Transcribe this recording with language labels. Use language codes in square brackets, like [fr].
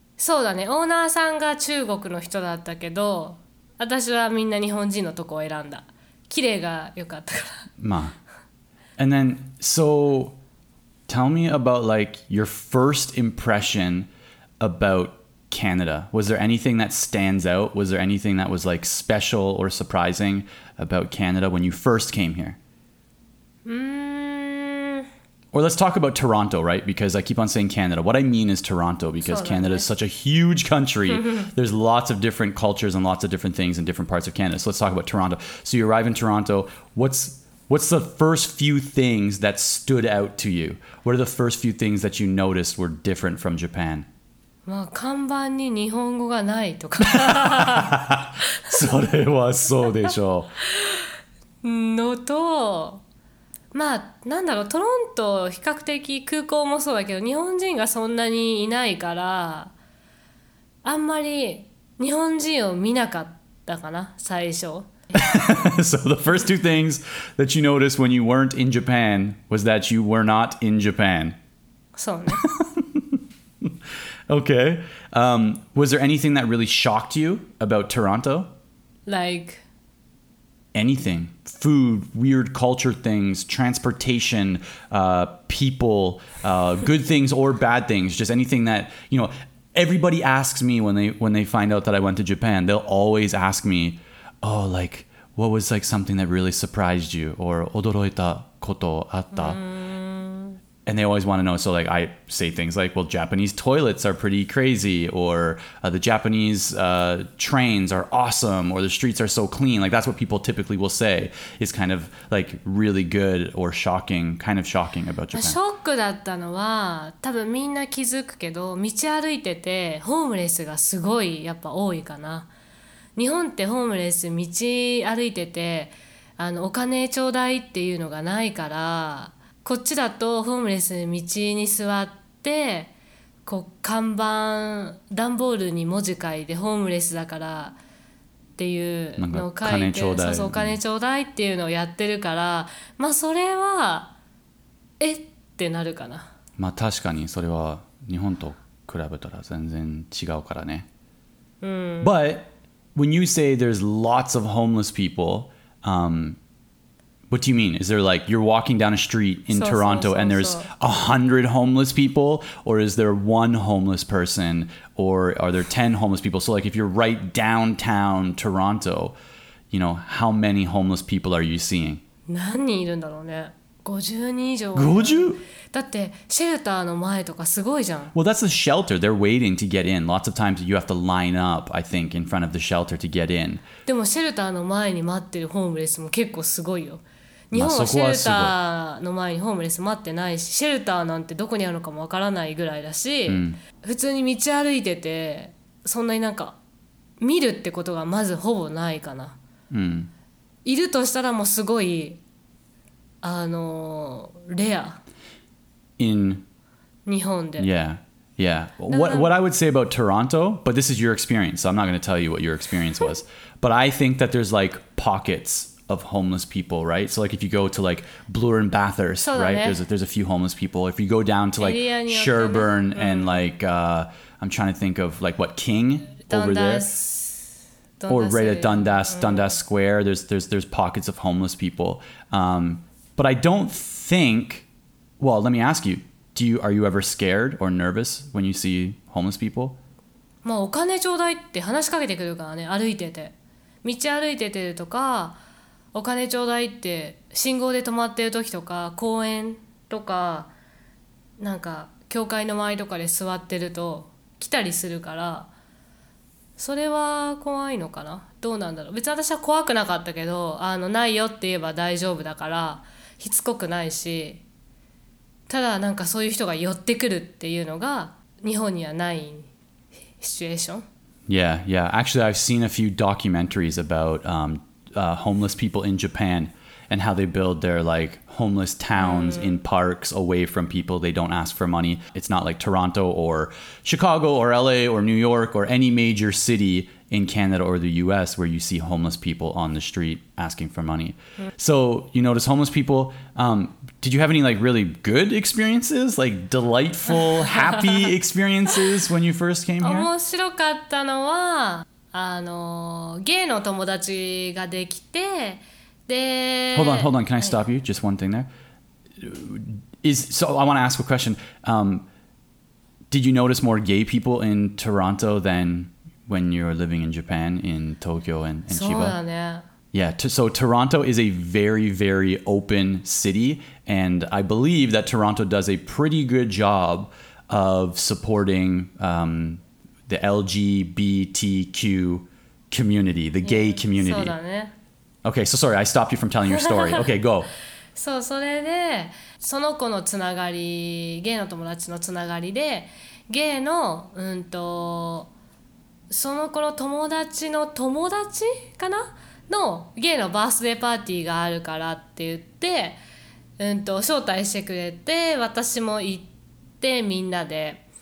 [ja] そうだね。オーナーさんが中国の人だったけど、私はみんな日本人のとこを選んだ。綺麗が良かったから。まあ。 [en] And then, so tell me about like your first impression about Canada. Was there anything that stands out? Was there anything that was like special or surprising about Canada when you first came here? Or let's talk about Toronto, right? Because I keep on saying Canada. What I mean is Toronto, because Canada is such a huge country. There's lots of different cultures and lots of different things in different parts of Canada. So let's talk about Toronto. So you arrive in Toronto. What's the first few things that stood out to you? What are the first few things that you noticed were different from Japan? [ja] まあ、看板に日本語がないとか。それはそうでしょう。のと、まあ、なんだろう、トロント比較的空港もそうだけど、日本人がそんなにいないから、あんまり日本人を見なかったかな、最初。 [en] So the first two things that you noticed when you weren't in Japan was that you were not in Japan. So. Okay. Was there anything that really shocked you about Toronto? Like? Anything. Food, weird culture things, transportation, people, good things or bad things. Just anything that, you know, everybody asks me when they find out that I went to Japan, they'll always ask me, oh, like, what was like something that really surprised you or [ja] 驚いたことあった? [en] And they always want to know. So like I say things like, well, Japanese toilets are pretty crazy, or the Japanese trains are awesome, or the streets are so clean. Like that's what people typically will say is kind of like really good or shocking, kind of shocking about Japan. [ja] ショックだったのは多分みんな気づくけど、道歩いててホームレスがすごいやっぱ多いかな。日本ってホームレス道歩いててあのお金ちょうだいっていうのがないから、こっちだとホームレス道に座ってこう看板段ボールに文字書いてホームレスだからっていうのを書いて、そうそう、お金ちょうだいっていうのをやってるから、まあそれはえってなるかな。まあ確かにそれは日本と比べたら全然違うからね。 [en] But when you say there's lots of homeless people, what do you mean? Is there like you're walking down a street in Toronto and there's 100 homeless people, or is there one homeless person, or are there 10 homeless people? So like if you're right downtown Toronto, you know, how many homeless people are you seeing? [ja] 何人いるんだろうね。50人以上。 50? だってシェルターの前とかすごいじゃん。 [en] Well, that's the shelter. They're waiting to get in. Lots of times you have to line up, I think, in front of the shelter to get in. [ja] でもシェルターの前に待ってるホームレスも結構すごいよ。日本はシェルターの前にホームレス待ってないし、シェルターなんてどこにあるのかもわからないぐらいだし、普通に道歩いててそんなになんか見るってことがまずほぼないかな。いるとしたらもうすごいあのレア。 [en] In [ja] 日本で。 [en] Yeah, yeah. What I would say about Toronto, but this is your experience, so I'm not going to tell you what your experience was. But I think that there's like pockets. Of homeless people, right? So, like, if you go to like Bloor and Bathurst, right? There's a few homeless people. If you go down to like Sherbourne and like, I'm trying to think of like what King over there, or right at Dundas Square, there's pockets of homeless people. But I don't think. Well, let me ask you: are you ever scared or nervous when you see homeless people? [ja] まあお金ちょうだいって話しかけてくるからね。歩いてて、道歩いててとか。お金ちょうだいって信号で止まってる時とか公園とかなんか教会の周りとかで座ってると来たりするから、それは怖いのかな、どうなんだろう。別に私は怖くなかったけど、あのないよって言えば大丈夫だからしつこくないし、ただなんかそういう人が寄ってくるっていうのが日本にはないシチュエーション。 [en] Yeah, yeah. Actually, I've seen a few documentaries aboutHomeless people in Japan and how they build their like homeless towns in parks away from people. They don't ask for money. It's not like Toronto or Chicago or LA or New York or any major city in Canada or the US where you see homeless people on the street asking for money. So you notice homeless people. Did you have any like really good experiences, like delightful, happy experiences when you first came here? [ja] 面白かったのはあのゲイの友達ができて、で、 [en] Hold on, can I stop you? Just one thing there. So I want to ask a question. Did you notice more gay people in Toronto than when you're living in Japan, in Tokyo and Chiba? [ja] そうだね。 [en] Yeah, so Toronto is a very, very open city, and I believe that Toronto does a pretty good job of supporting the LGBTQ community, the gay community. [ja] そうだね。 [en] Okay, so sorry, I stopped you from telling your story. Okay, go. [ja] そう、それでその子のつながり、ゲイの友達のつながりで、ゲイのその子の友達の友達かなのゲイのバースデーパーティーがあるからって言って招待してくれて、私も行ってみんなで。